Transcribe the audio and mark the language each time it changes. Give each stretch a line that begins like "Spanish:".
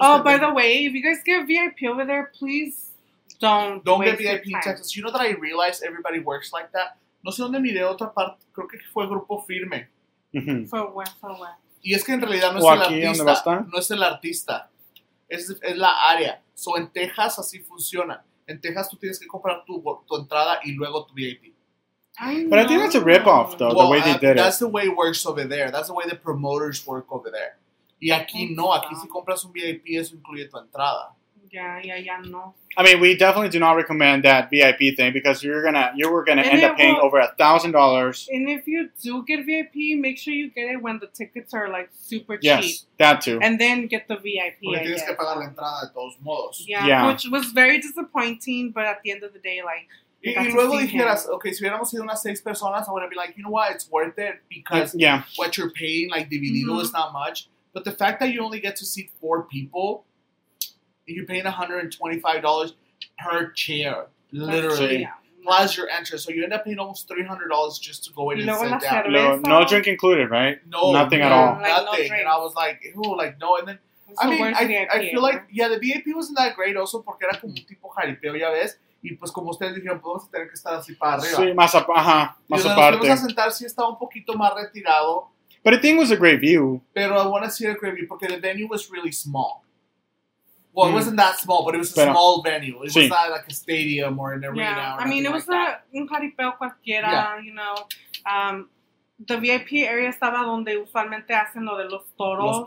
English: Oh, by the way, if you guys get VIP over there, please. Don't get VIP Texas. You know that I realized everybody works like that.
Spanish: No sé dónde miré otra parte. Creo que fue el Grupo Firme. Fue bueno. Y es que en realidad no es el artista. No es el artista. Es la área. So, en Texas así funciona. En Texas tú tienes que comprar tu entrada y luego tu VIP.
English: But I think that's a rip-off, though, the way they did it. That's the way it works over there. That's the way the promoters work over there.
Spanish: Y aquí no. Aquí si compras un VIP, eso incluye tu entrada.
English: Yeah, no. I mean, we definitely do not recommend that VIP thing because you were gonna end up paying over $1,000. And if you do get VIP, make sure you get it when the tickets are like super cheap. Yes, that too. And then get the VIP.
Spanish: Porque tienes que pagar la entrada de todos modos.
English: Yeah, which was very disappointing, but at the end of the day, like.
Spanish: Y luego dijeras, okay, si hubiéramos sido unas 6 personas,
English: I would be like, you know what, it's worth it because what you're paying, like dividido, is not much. But the fact that you only get to see 4 people. You're paying $125 per chair, literally, plus your entrance. So you end up paying almost $300 just to go in and sit down. No drink included, right? No. Nothing no, at all. Like, nothing. No, and I was like, ew, like, no. And then, I feel like the VIP wasn't that great also
Spanish: porque era como un tipo jaripeo, ya ves. Y pues como ustedes dijeron, pues vamos a tener que estar así para arriba. Sí, más aparte. Ajá, más aparte. Y nos fuimos a sentar, sí estaba un poquito más retirado.
English: But I think it was a great view. Pero I want to see a great view porque the venue was really small. Well, it wasn't that small, but it was a small venue. It was not like a stadium or an arena. Yeah, I mean, it was like
Spanish: un jaripeo cualquiera,
English: you know. The VIP area
Spanish: estaba donde usualmente hacen lo de los toros.